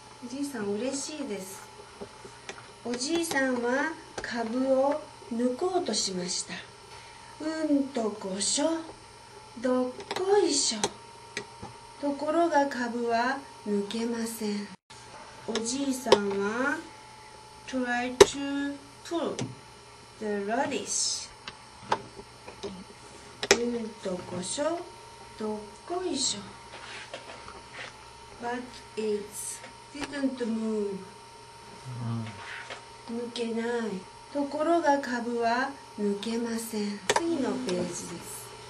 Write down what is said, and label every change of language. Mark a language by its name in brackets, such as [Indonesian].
[Japanese] おじいさん嬉しいです。おじいさんは株を抜こうとしました。うんとごしょ、どっこいしょ。ところが株は抜けません。おじいさんは [English] try to pull the radish。 [Japanese] うんとごしょ、どっこいしょ。 [English] But it didn't move。 [Japanese] 抜けない。ところが株は抜けません。次のページです。